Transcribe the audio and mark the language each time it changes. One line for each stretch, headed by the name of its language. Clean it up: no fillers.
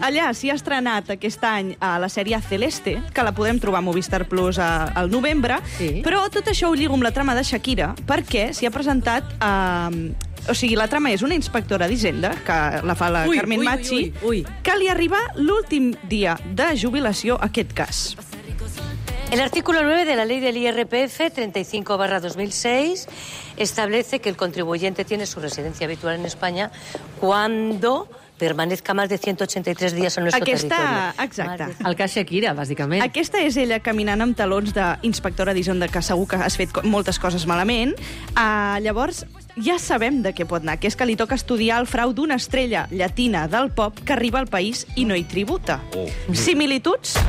Catalan: Allà s'hi ha estrenat aquest any a la sèrie Celeste, que la podem trobar a Movistar Plus al novembre, sí. Però tot això ho lligo amb la trama de Shakira, perquè s'hi ha presentat... O sigui, la trama és una inspectora d'Hisenda, que la fa la Carmen Machi, que li arriba l'últim dia de jubilació a aquest cas.
Spanish: El artículo 9 de la ley del IRPF 35/2006 establece que el contribuyente tiene su residencia habitual en España cuando permanezca más de 183 días en nuestro territorio.
Catalan: Exacte. El cas Shakira, bàsicament. Aquesta és ella caminant amb talons d'inspectora d'Hisenda, que segur que has fet moltes coses malament. Llavors... Ja sabem de què pot anar, que és que li toca estudiar el frau d'una estrella llatina del pop que arriba al país i no hi tributa. Similituds?